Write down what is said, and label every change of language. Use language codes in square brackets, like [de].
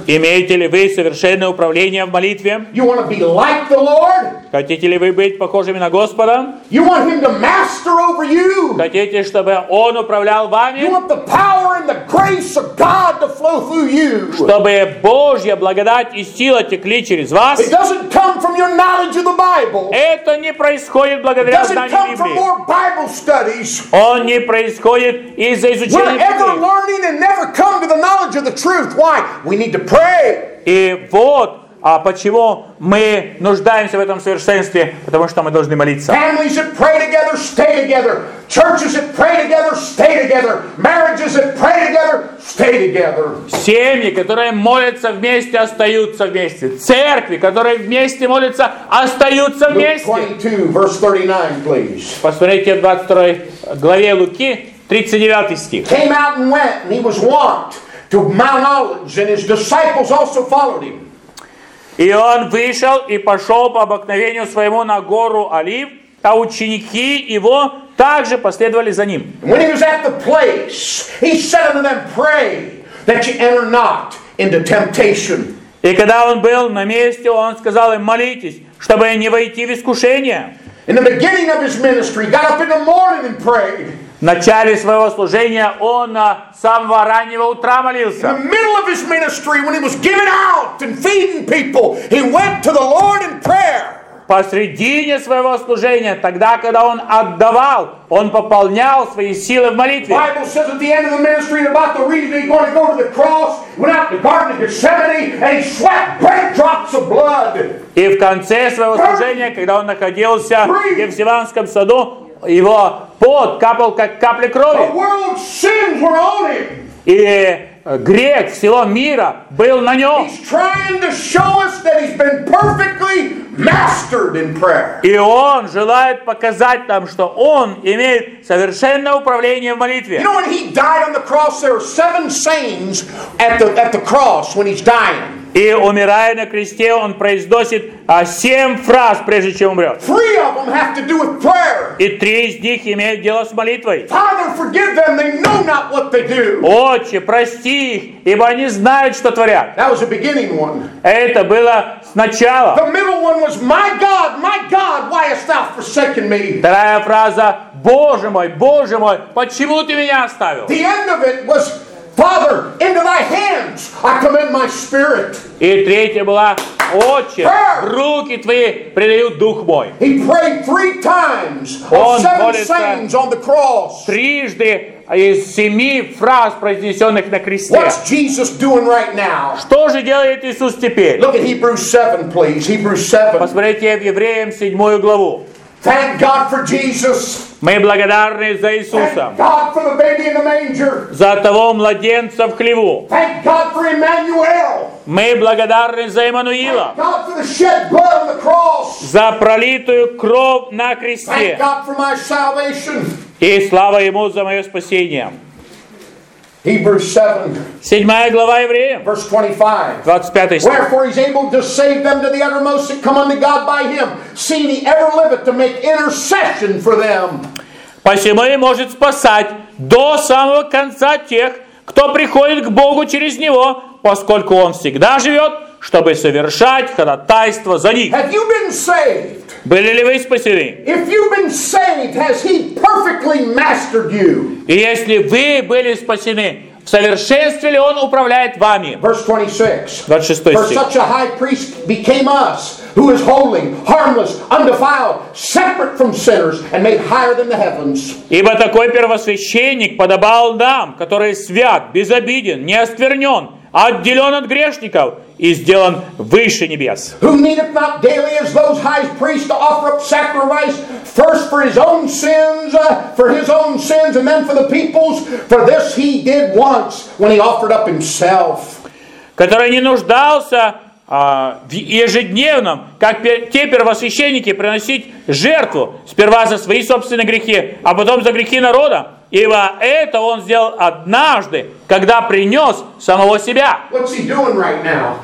[ru] Имеете ли вы совершенное управление в молитве? [en] You want to be like the Lord? [ru] Хотите ли вы быть похожими на Господа? [en] You want him to master over you? [ru] Хотите, чтобы он управлял вами? [en] You want the power and the grace of God to flow through you? [ru] Чтобы Божья благодать и сила текли через вас? [en] It doesn't come from your knowledge of the Bible. [ru] Это не происходит благодаря знанию Библии. [en] It doesn't come from more Bible studies. [ru] Он не происходит из-за изучения Библии. [en] We're ever learning and never come to the knowledge of the truth. Why? We need to pray. [ru] И вот почему мы нуждаемся в этом совершенстве? Потому что мы должны молиться. [en] Families that pray together, stay together. Churches that pray together, stay together. Marriages that pray together, stay together. [ru] Семьи, которые молятся вместе, остаются вместе. Церкви, которые вместе молятся, остаются вместе. [en] Luke 22, verse 39, please. [ru] Посмотрите в 22 главе Луки, 39 стих. [en] Came out and went, and he was wont to mount olives, and his disciples also followed him. [ru] И он вышел и пошел по обыкновению своему на гору Олив, а ученики его также последовали за ним. [en] When he was at the place, he said unto them, pray that you enter not into temptation. [ru] И когда он был на месте, он сказал им, молитесь, чтобы не войти в искушение. [en] In the beginning of his ministry, got up in the morning and prayed. [ru] В начале своего служения он с самого раннего утра молился. [en] In the middle of his ministry, when he was giving out and feeding people, he went to the Lord in prayer. [ru] Посредине своего служения, тогда, когда он отдавал, он пополнял свои силы в молитве. [en] Bible says at the end of the ministry, about the reason he's going to go to the cross, went out to the Garden of Gethsemane, and he sweat great drops of blood. [ru] И в конце своего служения, когда он находился в Гефсиманском саду, его пот капал, как капли крови. [en] The world sins were on him. [ru] И грех всего мира был на нем. [en] He's trying to show us that he's been perfectly mastered in prayer. [ru] И он желает показать нам, что он имеет совершенное управление в молитве. [en] You know, when he died on the cross, there were seven sayings at the cross when he's dying. [ru] И умирая на кресте, он произносит семь фраз, прежде чем умрет. [en] Three of them have to do with prayer. [ru] И три из них имеют дело с молитвой. [en] Father, forgive them, they know not what they do. [ru] Отче, прости их, ибо они знают, что творят. [en] That was the beginning one. [ru] Это было сначала. [en] The middle one was, my God, why hast thou forsaken me? [ru] Вторая фраза, Боже мой, почему ты меня оставил? [en] The end of it was, Father, into thy hands I commend my spirit. [ru] И третья была, Отче, в руки твои предаю дух мой. [en] He prayed three times of seven sayings on the cross. [ru] Трижды из семи фраз, произнесенных на кресте. [en] What's Jesus doing right now? [ru] Что же делает Иисус теперь? [en] Look at Hebrews 7, please. Hebrews 7. [ru] Посмотрите в Евреям 7 главу. [en] Thank God for Jesus. [ru] Мы благодарны за Иисуса. [en] Thank God for the baby in the manger. [ru] За того младенца в хлеву. [en] Thank God for Emmanuel. [ru] Мы благодарны за Эммануила. [en] Thank God for the shed blood on the cross. [ru] За пролитую кровь на кресте. [en] Thank God for my salvation. [ru] И слава Ему за мое спасение. [en] Hebrews 7. [ru] Седьмая глава Евреям. [en] Verse 25. [ru] 25 стих. [en] Wherefore he's able to save them to the uttermost that come unto God by him, seeing he ever liveth to make intercession for them. [ru] Посему и может спасать до самого конца тех, кто приходит к Богу через Него, поскольку Он всегда живет, чтобы совершать ходатайство за них. [en] Have you been saved? [ru] Были ли вы спасены? [en] If you've been saved, has he perfectly mastered you? [ru] И если вы были спасены, в совершенстве ли Он управляет вами? Ибо такой первосвященник подобал нам, который свят, безобиден, не осквернен, отделен от грешников и сделан выше небес. [en] Who needeth not daily as those high priests to offer up sacrifice first for his own sins, and then for the people's? For this he did once when he offered up himself. [ru] Который не нуждался в ежедневном, как те первосвященники, приносить жертву сперва за свои собственные грехи, а потом за грехи народа. Ибо это он сделал однажды, когда принес самого себя. [en] Right,